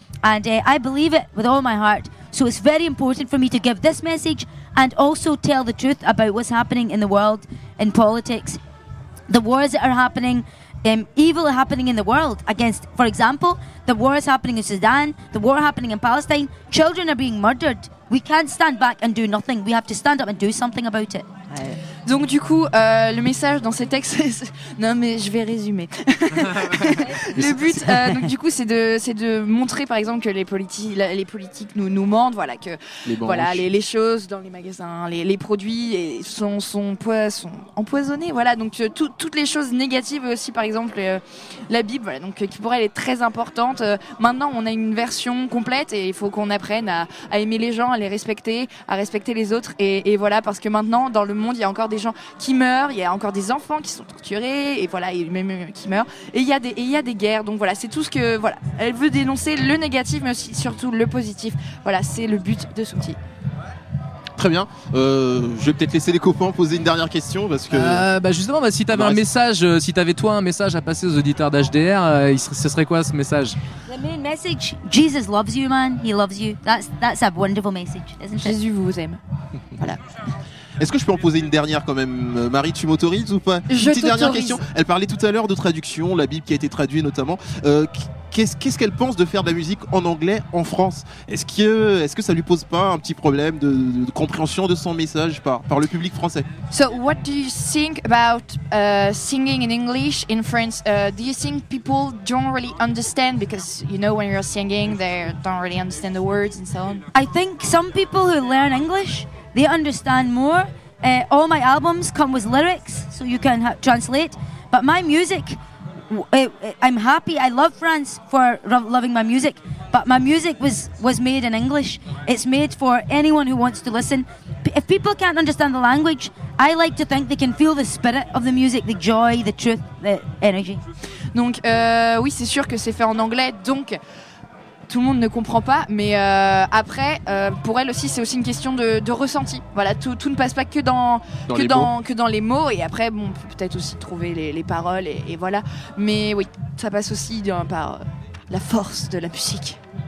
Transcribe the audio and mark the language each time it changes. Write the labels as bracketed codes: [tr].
[en] And I believe it with all my heart. So it's very important for me to give this message and also tell the truth about what's happening in the world, in politics, the wars that are happening, evil happening in the world against, for example, the wars happening in Sudan, the war happening in Palestine. Children are being murdered. We can't stand back and do nothing. We have to stand up and do something about it. [fr] Donc du coup, le message dans ces textes, non mais je vais résumer. Le but, donc du coup, c'est de montrer, par exemple, que les politiques nous mentent, voilà, que les choses dans les magasins, les produits sont empoisonnés, voilà, donc toutes les choses négatives aussi, par exemple, la Bible, voilà, donc qui pour elle est très importante. Maintenant, on a une version complète et il faut qu'on apprenne à aimer les gens, à les respecter, à respecter les autres, et voilà, parce que maintenant, dans le monde, il y a encore des gens qui meurent, il y a encore des enfants qui sont torturés et voilà, et même qui meurent, et il y a des guerres. Donc voilà, c'est tout ce que voilà, elle veut dénoncer le négatif mais aussi surtout le positif. Voilà, c'est le but de Souti. Très bien, je vais peut-être laisser les copains poser une dernière question parce que Si tu avais un message à passer aux auditeurs d'HDR, ce serait quoi ce message? [en] The main message, Jesus loves you, man, he loves you. That's a wonderful message, isn't it? [fr] Jésus vous aime. Voilà. Est-ce que je peux en poser une dernière quand même, Marie, tu m'autorises ou pas? Je t'autorise. Dernière question. Elle parlait tout à l'heure de traduction, la Bible qui a été traduite notamment. Qu'est-ce qu'elle pense de faire de la musique en anglais en France? Est-ce que ça lui pose pas un petit problème de compréhension de son message par le public français? [en] So what do you think about singing in English in France? Do you think people don't really understand, because you know when you're singing they don't really understand the words and so on? I think some people who learn English, they understand more. All my albums come with lyrics, so you can translate. But my music, I'm happy. I love France for loving my music. But my music was made in English. It's made for anyone who wants to listen. If people can't understand the language, I like to think they can feel the spirit of the music, the joy, the truth, the energy. [fr] Donc, oui, c'est sûr que c'est fait en anglais, donc tout le monde ne comprend pas, mais pour elle aussi, c'est aussi une question de ressenti. Voilà, tout ne passe pas que dans les mots, et après, bon, peut-être aussi trouver les paroles, et voilà. Mais oui, ça passe aussi par la force de la musique.